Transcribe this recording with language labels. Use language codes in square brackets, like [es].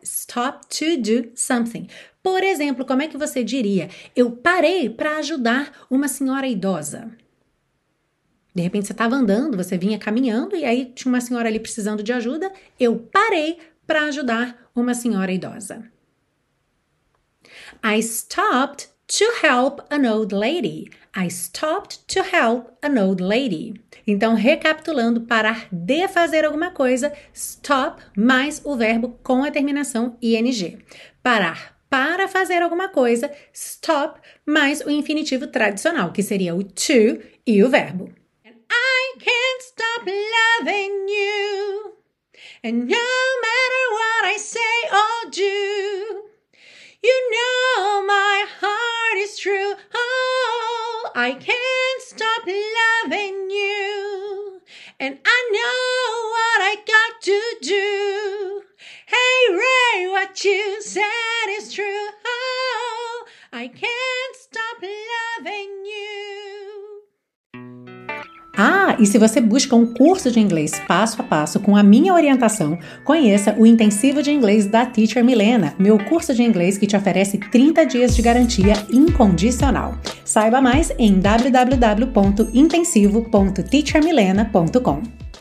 [en] Stop to do something. [pt] Por exemplo, como é que você diria? Eu parei para ajudar uma senhora idosa. De repente você estava andando, você vinha caminhando e aí tinha uma senhora ali precisando de ajuda. Eu parei para ajudar uma senhora idosa. [en] I stopped to help an old lady. I stopped to help an old lady. [pt] Então, recapitulando, parar de fazer alguma coisa, stop mais o verbo com a terminação ing. Parar para fazer alguma coisa, stop mais o infinitivo tradicional, que seria o to e o verbo. [en] I can't stop loving you. And no matter what I say or do. You know my heart is true. Oh, I can't stop loving you. And I know what I got to do. Hey Ray, what you said is true. Oh, I can't stop loving you. [pt] Ah, e se você busca um curso de inglês passo a passo com a minha orientação, conheça o Intensivo de Inglês da Teacher Milena, meu curso de inglês que te oferece 30 dias de garantia incondicional. Saiba mais em www.intensivo.teachermilena.com.